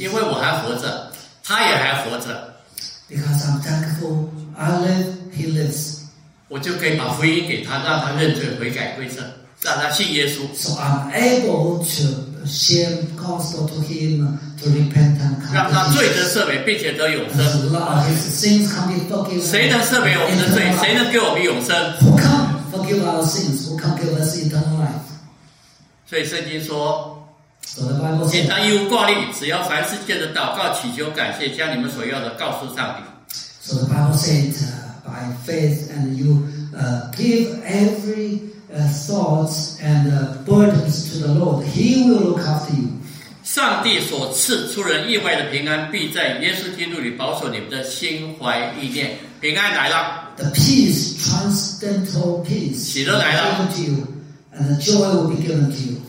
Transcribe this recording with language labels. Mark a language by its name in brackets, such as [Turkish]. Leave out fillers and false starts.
[Chinese] 因为我还活着他也还活着 [English] Because I'm thankful, I live, he lives. [Chinese] 我就可以把福音给他，让他认罪悔改归正，让他信耶稣。 [English] So I'm able to share gospel to him to repent and come. [Chinese] 让他罪得赦免，并且得永生。 [English] Lord, his sins can be forgiven. [Chinese] 谁能赦免我们的罪？谁能给我们永生 [English] ？Who can forgive our sins? Who can give us eternal life? [Chinese] 所以圣经说。简单义务挂历只要凡事借着祷告祈求感谢将你们所要的告诉上帝 [English] So the Bible said by faith and you give every thoughts and burdens to the Lord He will look after you [Chinese] 上帝所赐出人意外的平安必在耶稣基督里保守你们的心怀意念平安来了 [English] The peace, transcendental peace [Chinese] 喜乐来了 [English] will be given to you, And the joy will be given to you